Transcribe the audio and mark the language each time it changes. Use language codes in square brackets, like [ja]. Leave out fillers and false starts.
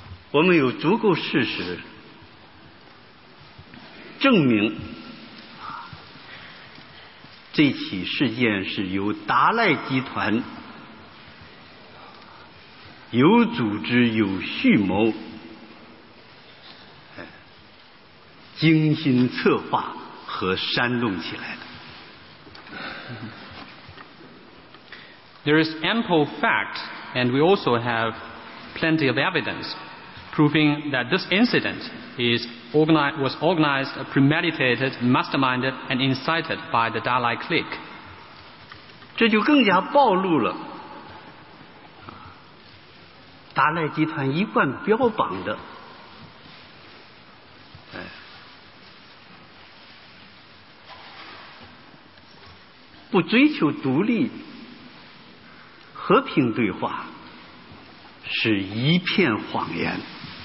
[zh] 我们有足够事实证明这起事件是由达赖集团有组织有蓄谋精心策划和煽动起来的。 [en] There is ample fact, and we also have plenty of evidence proving that this incident was organized, premeditated, masterminded, and incited by the Dalai clique. [zh] 这就更加暴露了达赖集团一贯标榜的不追求独立、和平对话，是一片谎言。